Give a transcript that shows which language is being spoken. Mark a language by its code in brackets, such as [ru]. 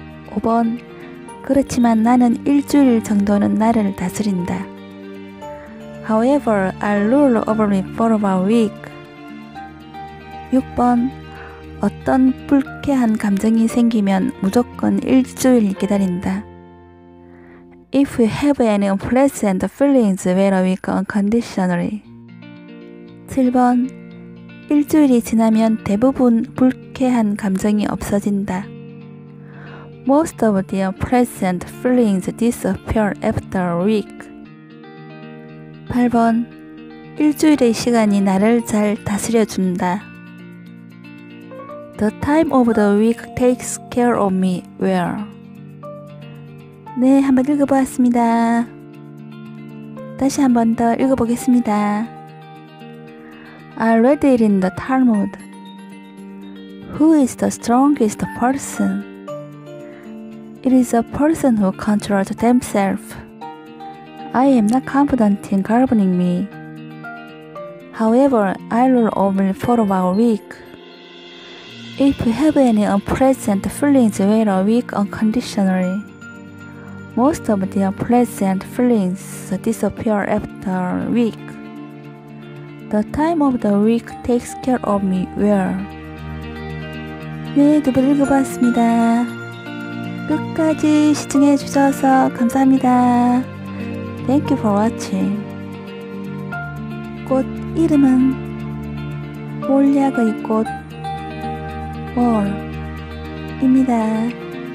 [ko] 5번 그렇지만 나는 일주일 정도는 나를 다스린다. [en] However, I rule over me for a week. [ko] 6번 어떤 불쾌한 감정이 생기면 무조건 일주일 기다린다. [en] If you have any unpleasant feelings, wait a week unconditionally. [ko] 7번 일주일이 지나면 대부분 불쾌한 감정이 없어진다. [en] Most of the unpleasant feelings disappear after a week. [ko] 8번 일주일의 시간이 나를 잘 다스려준다. [en] The time of the week takes care of me well. [ko] 네, 한번 읽어보았습니다. 다시 한번 더 읽어보겠습니다. [en] I read it in the Talmud. Who is the strongest person? It is a person who controls themselves. I am not confident in governing me. However, I rule over for about a week. If you have any unpleasant feelings, wait a week unconditionally. Most of the unpleasant feelings disappear after a week. The time of the week takes care of me well. [ko] 네, 두 번 읽어봤습니다. 끝까지 시청해 주셔서 감사합니다. [en] Thank you for watching. [ko] 꽃 이름은 몰약의 꽃 월입니다.